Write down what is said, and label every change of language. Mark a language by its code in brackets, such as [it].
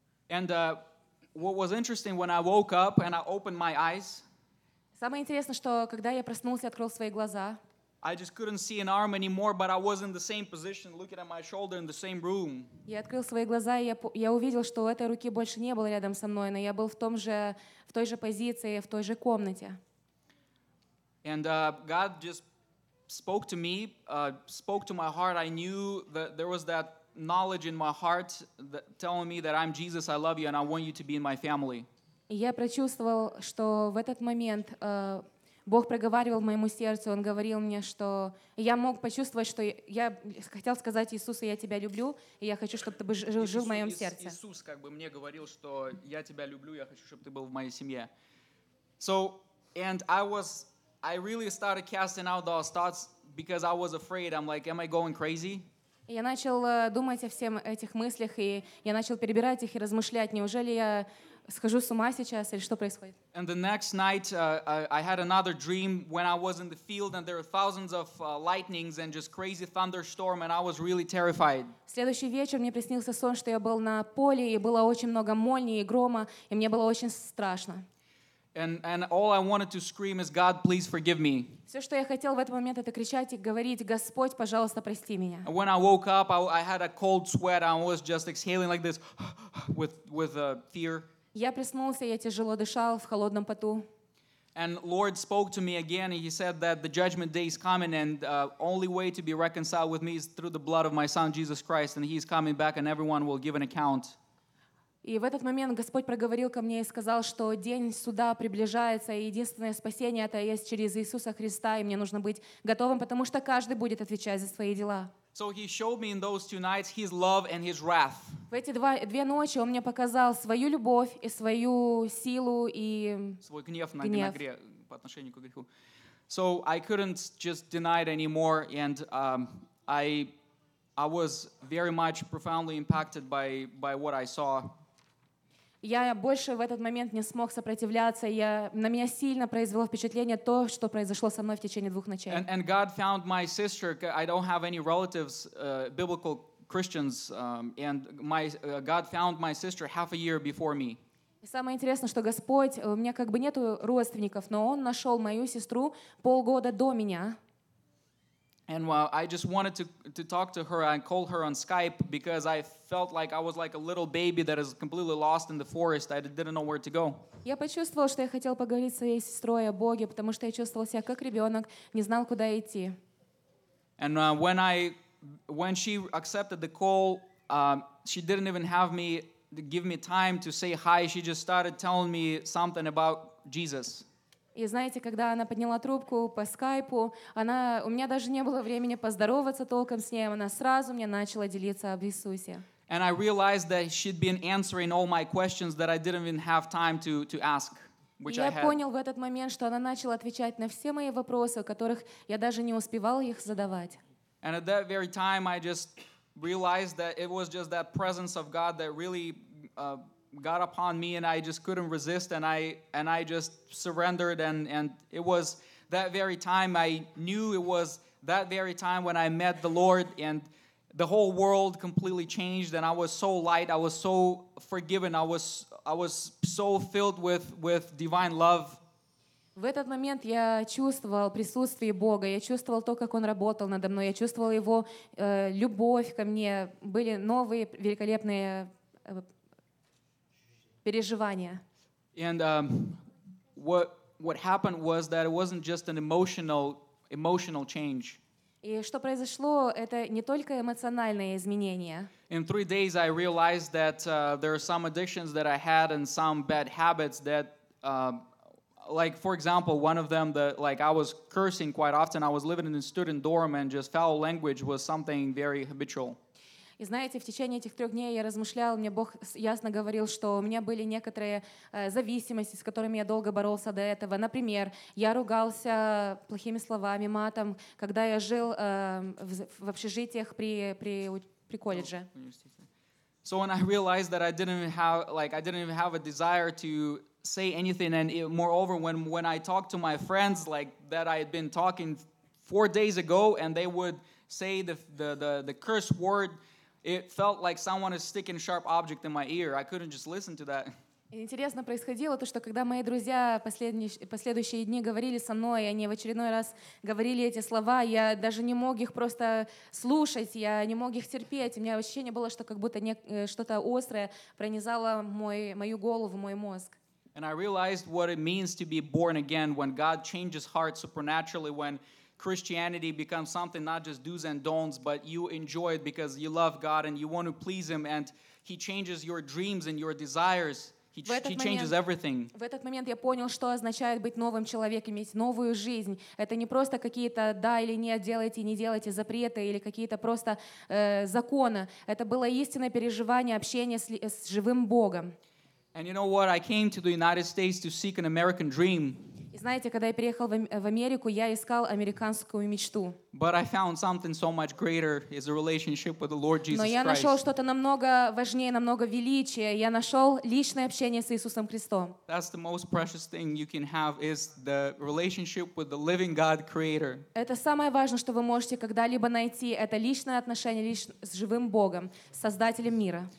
[en] And what was interesting, when I woke up and I opened my eyes, [ru] самое интересное, что когда я проснулся, открыл свои глаза, [en] I just couldn't see an arm anymore, but I was in the same position, looking at my shoulder in the same room. [ru] Я открыл свои глаза, и я увидел, что этой руки больше не было рядом со мной, но я был в той же позиции, в той же комнате. [en] And God just spoke to me, spoke to my heart. I knew that there was that knowledge in my heart that telling me that I'm Jesus, I love you, and I want you to be in my family. [ru] Я прочувствовал, что в этот момент Бог проговаривал моему сердцу, он говорил мне, что я мог почувствовать, что я хотел сказать Иисусу, я тебя люблю, и я хочу, чтобы ты жил в моем сердце. Иисус как бы мне говорил, что я тебя люблю, я хочу, чтобы ты был в моей семье. [en] So, and I really started casting out those thoughts because I was afraid. I'm like, am I going crazy? [ru] Я начал думать о всех этих мыслях, и я начал перебирать их и размышлять, неужели я схожу с ума сейчас, или что происходит? [en] And the next night, I had another dream when I was in the field, and there were thousands of lightnings and just crazy thunderstorm, and I was really terrified. [ru] Следующий вечер мне приснился сон, что я был на поле, и было очень много молний и грома, и мне было очень страшно. [en] And all I wanted to scream is, God, please forgive me. [ru] Все, что я хотел в этот момент, это кричать и говорить, Господь, пожалуйста, прости меня. [en] And when I woke up, I had a cold sweat. I was just exhaling like this with fear. [ru] Я проснулся, я тяжело дышал в холодном поту. [en] And Lord spoke to me again, and He said that the judgment day is coming, and only way to be reconciled with Me is through the blood of My Son Jesus Christ, and He is coming back, and everyone will give an account. [ru] И в этот момент Господь проговорил ко мне и сказал, что день суда приближается, и единственное спасение это есть через Иисуса Христа, и мне нужно быть готовым, потому что каждый будет отвечать за свои дела. [en] So He showed me in those two nights His love and His wrath. [ru] В эти две ночи Он мне показал свою любовь и свою силу и свой гнев на грех по отношению к греху. [en] So I couldn't just deny it anymore, and I was very much profoundly impacted by what I saw. [ru] Я больше в этот момент не смог сопротивляться. Я, на меня сильно произвело впечатление то, что произошло со мной в течение двух ночей. [en] And God found my sister. I don't have any relatives, biblical Christians, and God found my sister half a year before me. [ru] Самое интересное, что Господь, у меня как бы нету родственников, но Он нашел мою сестру полгода до меня. [en] And I just wanted to talk to her and call her on Skype because I felt like I was like a little baby that is completely lost in the forest. I didn't know where to go. [ru] Я почувствовал, что я хотел поговорить с своей сестрой о Боге, потому что я чувствовал себя как ребенок, не знал куда идти. [en] And when she accepted the call, she didn't even have me give me time to say hi. She just started telling me something about Jesus. [ru] И знаете, когда она подняла трубку по скайпу, она, у меня даже не было времени поздороваться толком с ней, она сразу мне начала делиться об Иисусе. [en] And I realized that she'd been answering all my questions that I didn't even have time to ask, which I had. [ru] Я понял в этот момент, что она начала отвечать на все мои вопросы, которых я даже не успевал их задавать. [en] And at that very time, I just realized that it was just that presence of God that really got upon me, and I just couldn't resist, and I just surrendered, and it was that very time I knew it was that very time when I met the Lord, and the whole world completely changed, and I was so light, I was so forgiven, I was so filled with divine love. [ru] В этот момент я чувствовал присутствие Бога, я чувствовал то, как Он работал надо мной, я чувствовал Его любовь ко мне, были новые великолепные переживания. [en] And what happened was that it wasn't just an emotional change. [ru] И что произошло, это не только эмоциональные изменения. [en] In 3 days I realized that there are some addictions that I had and some bad habits that like for example, one of them that like I was cursing quite often. I was living in a student dorm and just foul language was something very habitual. [ru] И знаете, в течение этих трех дней я размышлял, мне Бог ясно говорил, что у меня были некоторые зависимости, с которыми я долго боролся до этого. Например, я ругался плохими словами, матом, когда я жил в общежитиях при колледже. [en] So when I realized that I didn't even have a desire to say anything, and it, moreover, when I talked to my friends like that I had been talking 4 days ago, and they would say the curse word. It felt like someone is sticking a sharp object in my ear. I couldn't just listen to that. [ru] Интересно происходило то, что когда мои друзья последующие дни говорили со мной, они в очередной раз говорили эти слова, я даже не мог их просто слушать, я не мог их терпеть. У меня ощущение было, что как будто что-то острое пронизало мою голову, мой мозг. [en] And I realized what it means to be born again when God changes heart supernaturally, when Christianity becomes something not just do's and don'ts, but you enjoy it because you love God and you want to please Him, and He changes your dreams and your desires. He changes everything. [ru] В этот момент я понял, что означает быть новым человеком, иметь новую жизнь. Это не просто какие-то да или нет, делайте, не делайте запреты или какие-то просто законы. Это было истинное переживание общения с живым Богом. [en] And you know what? I came to the United States to seek an American dream. [ru] Знаете, когда я переехал в Америку, я искал американскую мечту. [en] But I found something so much greater is a relationship with the Lord Jesus Christ. [ru] Но я нашел что-то намного важнее, намного величие. Я нашел личное общение с Иисусом Христом. [en] That's the most precious thing you can have is the relationship with the living God Creator. [ru] Это самое важное, что вы можете когда-либо найти. Это личное отношение с живым Богом, Создателем мира.